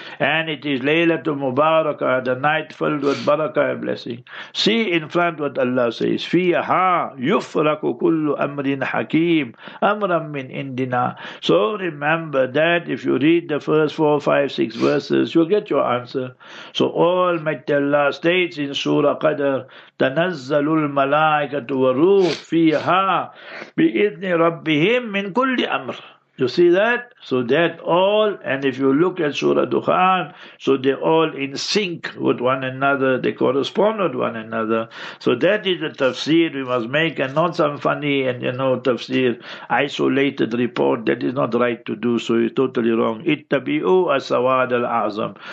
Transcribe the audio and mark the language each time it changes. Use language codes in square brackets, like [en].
[en] And it is Laylatul Mubarakah, the night filled with barakah and blessing. See in front what Allah says. [ar] Fiha yufraku kullu amrin hakeem, amram min indina. [en] So remember that if you read the first 4, 5, 6 verses, you'll get your answer. So Almighty Allah states in Surah Qadr, [ar] تنزل الملائكة والروح فيها بإذن ربهم من كل أمر. [en] You see that? So that all, and if you look at Surah Dukhan, so they all in sync with one another, they correspond with one another. So that is the tafsir we must make, and not some funny and, you know, tafsir, isolated report. That is not right to do, so it's totally wrong. [ar] Ittabi'u as-sawad al-azam.